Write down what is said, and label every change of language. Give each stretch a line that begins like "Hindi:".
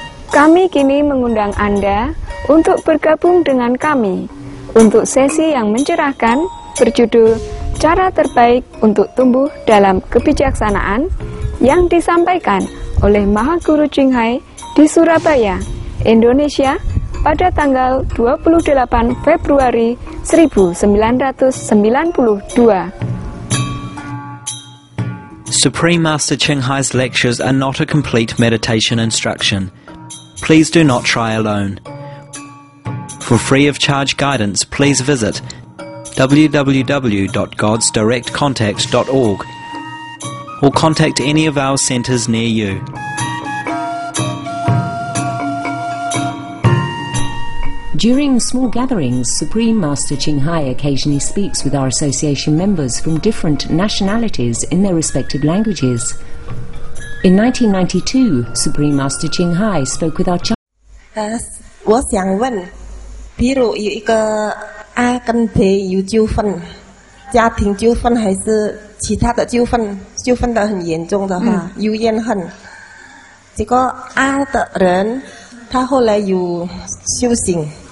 Indonesian: Kami kini mengundang Anda untuk bergabung dengan kami untuk sesi yang mencerahkan berjudul Cara Terbaik Untuk Tumbuh Dalam Kebijaksanaan yang disampaikan oleh Maha Guru Ching Hai di Surabaya, Indonesia pada tanggal 28 Februari 1992.
English: Supreme Master Ching Hai's lectures are not a complete meditation instruction. Please do not try alone. For free of charge guidance, please visit www.godsdirectcontact.org or contact any of our centers near you. During small gatherings, Supreme Master Ching Hai occasionally speaks with our association members from different nationalities in their respective languages. In 1992, Supreme Master Ching Hai spoke with our child.
Chinese: 我想问，比如有一个A跟B有纠纷，家庭纠纷还是其他的纠纷，纠纷的很严重的话，有怨恨。结果A的人，他后来有修行。